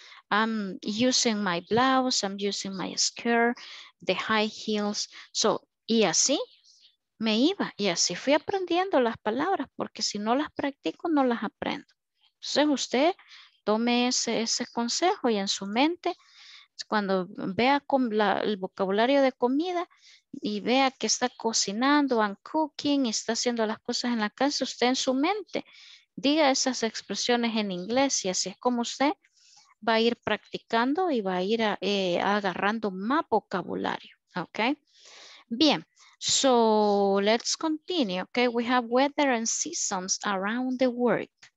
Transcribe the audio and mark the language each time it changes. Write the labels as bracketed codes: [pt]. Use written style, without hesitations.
[en] I'm using my blouse, I'm using my skirt, the high heels. [es] So, y así me iba. Y así fui aprendiendo las palabras, porque si no las practico, no las aprendo. Entonces, usted tome ese consejo y en su mente, cuando vea con el vocabulario de comida, y vea que está cocinando, [en] I'm cooking, [es] y está haciendo las cosas en la casa, usted en su mente diga esas expresiones en inglés, y así es como usted va a ir practicando y va a ir agarrando más vocabulario. [en] Ok, bien, so let's continue. Ok, we have weather and seasons around the world.